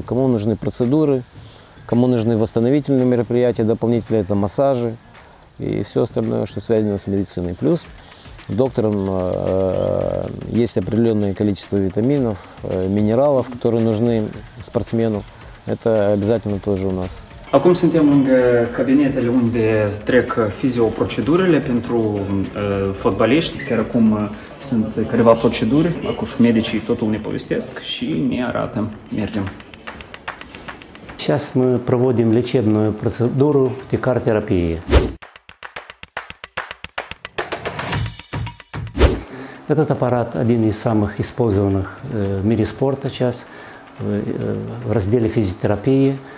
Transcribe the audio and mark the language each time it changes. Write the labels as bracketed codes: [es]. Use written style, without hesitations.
[ru] Кому нужны процедуры, кому нужны восстановительные мероприятия, дополнительные это массажи и все остальное, что связано с медициной. Плюс доктором есть определенное количество витаминов, минералов, которые нужны спортсмену. Это обязательно тоже у нас. [ro] Acum suntem lângă cabinetele unde trec fizioprocedurile pentru fotbaliști. Chiar acum sunt câteva proceduri, acum și medicii totul ne povestesc și ne arată. Mergem. [ru] Сейчас мы проводим лечебную процедуру тикартерапии. Этот аппарат один из самых использованных в мире спорта сейчас в разделе физиотерапии.